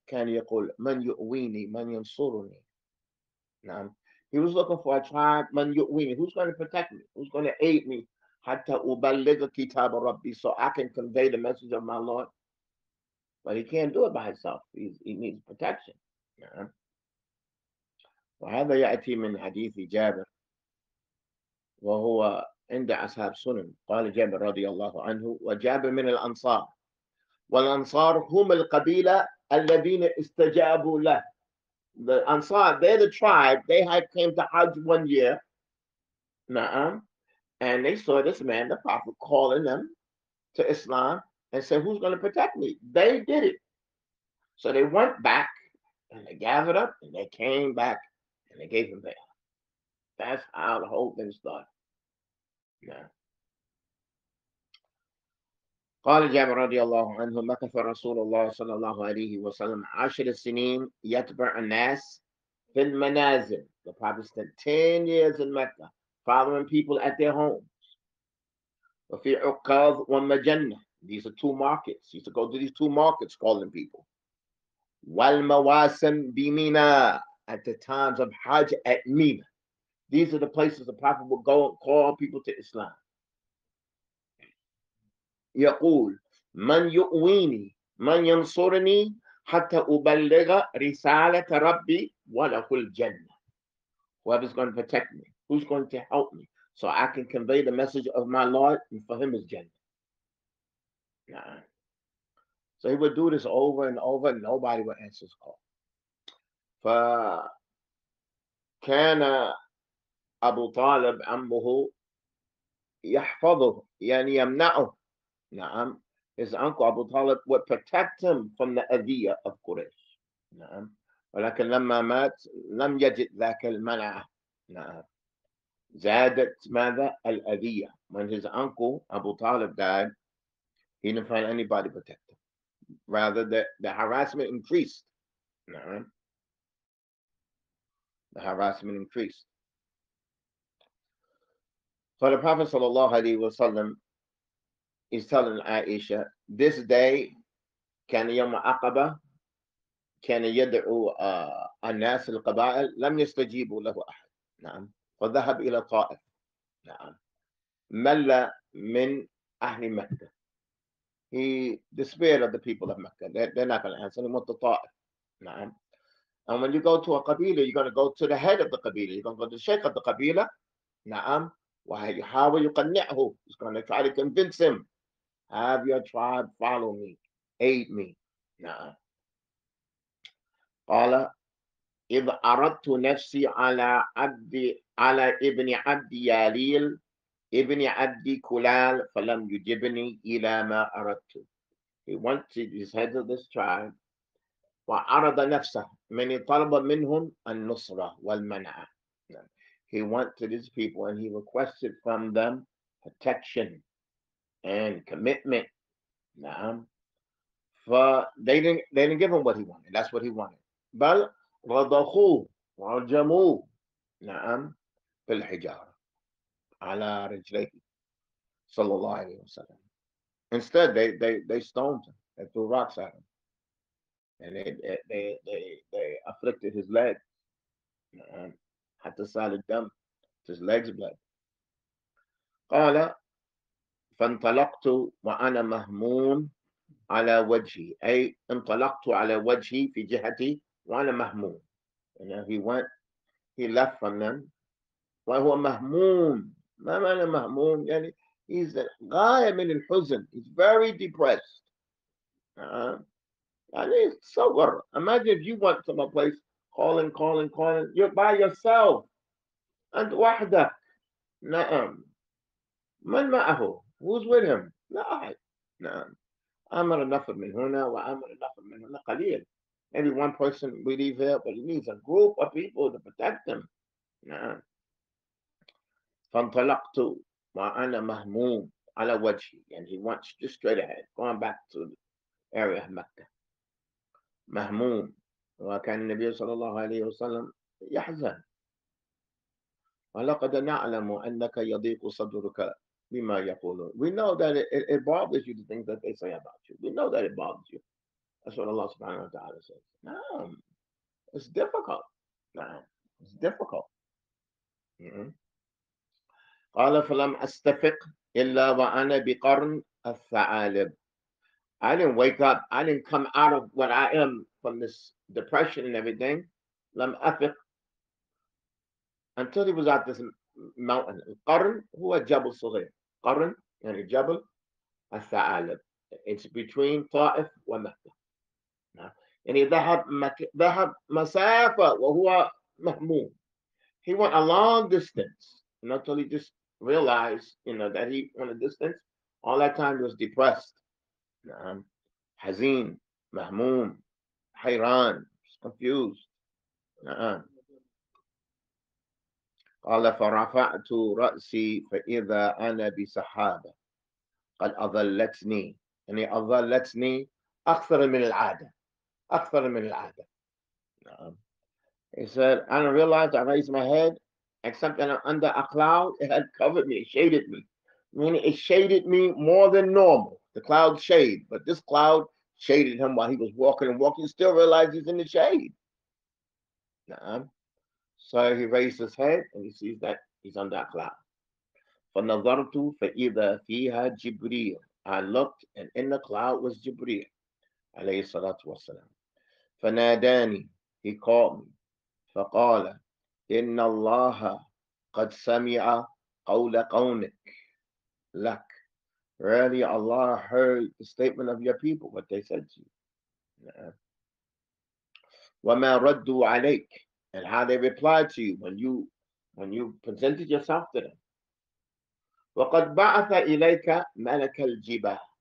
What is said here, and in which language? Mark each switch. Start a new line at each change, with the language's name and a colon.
Arabic: Kan yaqul, man yu'wini, man yansuruni.
English: Now, he was looking for a tribe,
Arabic: man yu'wini,
English: who's going to protect me? Who's going to aid me?
Arabic: Hatta uballigha kitab rabbi,
English: so I can convey the message of my Lord. But he can't do it by himself. He needs protection.
Arabic: وهذا يأتي من حديث جابر وهو عند أصحاب سنن، قال جابر رضي الله عنه، وجابر من الأنصار، والأنصار هم القبيلة الذين استجابوا له.
English: The Ansar, they're the tribe, they had came to Hajj one year, and they saw this man, the Prophet, calling them to Islam and said, who's going to protect me? They did it. So they went back and they gathered up and they came back and they gave him bail. That's how the whole thing started.
Arabic: قال جابر رضي الله عنه مكث رسول الله صلى الله عليه وسلم 10 سنين يتبع الناس في المنازل.
English: The Prophet spent 10 years in Mecca following people at their homes.
Arabic: وفي عكاظ ومجنة.
English: These are two markets. He used to go to these two markets calling people.
Arabic: والمواسم بمينا.
English: At the times of Hajj at Mina. These are the places the Prophet would go and call people to Islam.
Arabic: يقول من يؤويني من ينصرني حتى أبلغ رسالة ربي وله الجنة.
English: Whoever's going to protect me, who's going to help me so I can convey the message of my Lord, and for him is Jannah. So he would do this over and over, and nobody would answer his call.
Arabic: فكان أبو طالب عمه يحفظه يعني يمنعه.
English: His uncle Abu Talib would protect him from the Adiyah of Quraysh.
Arabic: ولكن لما مات لم يجد ذاك المنع. زادت ماذا الأذية.
English: When his uncle Abu Talib died, he didn't find anybody protect him. Rather, the harassment increased. The harassment increased. So the Prophet sallallahu alaihi wasallam is telling Aisha, this day,
Arabic: كان يوم عقبة, كان يدعو الناس القبائل, لم يستجيبوا له أحد. فذهب إلى طائف. مل من أهل مكة.
English: He despaired of the people of Mecca. They're not going to answer. He went to طائف. And when you go to a قبيلة, you're going to go to the head of the قبيلة. You're going to go to the sheikh of the قبيلة.
Arabic: وهيحاول يقنعه.
English: He's going to try to convince him. Have your tribe follow me, aid me.
Arabic: قال إذ أردت نفسي على ابن عبد ياليل ابن عبد كلال فلم يجبني إلى ما أردت.
English: He went to his head of this tribe
Arabic: وعرض نفسه من طلب منهم النصرة والمنع.
English: He went to these people and he requested from them protection and commitment. They didn't give him what he wanted. That's what he wanted.
Arabic: بل رضخوا ورجموا في الحجارة على رجليه صلى الله عليه وسلم.
English: Instead, they stoned him. They threw rocks at him. And they afflicted his leg.
Arabic: حتى سال الدم.
English: His legs bled.
Arabic: قال فانطلقت وأنا مهموم على وجهي. أي انطلقت على وجهي في جهتي وأنا مهموم.
English: And then he left from them.
Arabic: وهو مهموم. ما معنى مهموم؟ يعني
English: he's
Arabic: غاية من الحزن.
English: He's very depressed. يعني it's so good. Imagine if you went to my place calling. You're by yourself.
Arabic: أنت وحدك. من معه؟
English: Who's with him?
Arabic: لا أحد. أمر النفر من هنا وأمر النفر من هنا قليل.
English: Maybe one person we leave here, but he needs a group of people to protect him.
Arabic: فانطلقت وأنا مهموم على وجهي.
English: And he went just straight ahead, going back to the area of Mecca.
Arabic: مهموم. وكان النبي صلى الله عليه وسلم يحزن. ولقد نعلم أنك يضيق صدرك. بما يقولون.
English: We know that it bothers you, the things that they say about you. We know that it bothers you. That's what Allah subhanahu wa ta'ala says. It's difficult. It's difficult.
Arabic: قال فلم أستفق إلا وأنا بقرن الثعالب.
English: I didn't wake up. I didn't come out of what I am from this depression and everything.
Arabic: لم أفق.
English: Until he was at this mountain.
Arabic: القرن هو جبل صغير. قرن يعني جبل الثعالب.
English: It's between طائف ومكة.
Arabic: يعني ذهب ذهب مسافة وهو مهموم.
English: He went a long distance. And until he just realized, you know, that he went a distance, all that time he was depressed.
Arabic: حزين, مهموم, حيران, confused. قال فرفعت رأسي فإذا أنا بسحابة قد أظلتني, يعني أظلتني أكثر من العادة, أكثر من العادة.
English: He said, I don't realize, I raised my head, except that I'm under a cloud, it had covered me, it shaded me. Meaning it shaded me more than normal. The cloud shade, but this cloud shaded him while he was walking and walking, still realized he's in the shade. So he raised his head and he sees that he's under a cloud.
Arabic: فنظرت فإذا فيها جبريل.
English: I looked and in the cloud was جبريل.
Arabic: عليه الصلاة والسلام. فناداني,
English: he called me.
Arabic: فقال إن الله قد سمع قول قومك لك.
English: Really, Allah heard the statement of your people, what they said to you.
Arabic: وما ردوا عليك,
English: and how they replied to you when you presented yourself to them.
Arabic: وقد بعث إليك ملك الجبال.